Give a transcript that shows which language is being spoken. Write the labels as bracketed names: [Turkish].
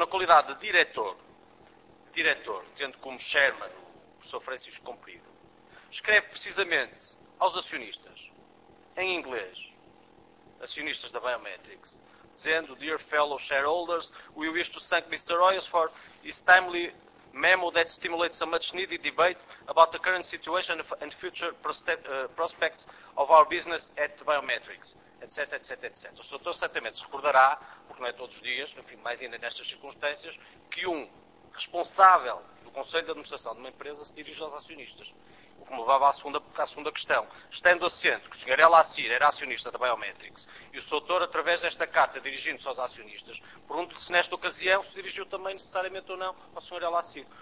[Portuguese] na qualidade de diretor, tendo como chairman o professor Francisco Comprido, escreve precisamente aos acionistas, em inglês, acionistas da Biomedics, dizendo, [English] Dear fellow shareholders, we wish to thank Mr. Royals for his timely memo that stimulates a much-needed debate about the current situation and future prospects of our business at Biomedics, etc, etc, etc. [Portuguese] O Sr. certamente se recordará, porque não é todos os dias, enfim, mais ainda nestas circunstâncias, que um responsável do Conselho de Administração de uma empresa se dirige aos acionistas. O que me levava à segunda questão. Estando assente que o Sr. El Asir era acionista da Biomedics e o Sr. através desta carta, dirigindo-se aos acionistas, pergunto-lhe se nesta ocasião se dirigiu também necessariamente ou não ao Sr. El Asir.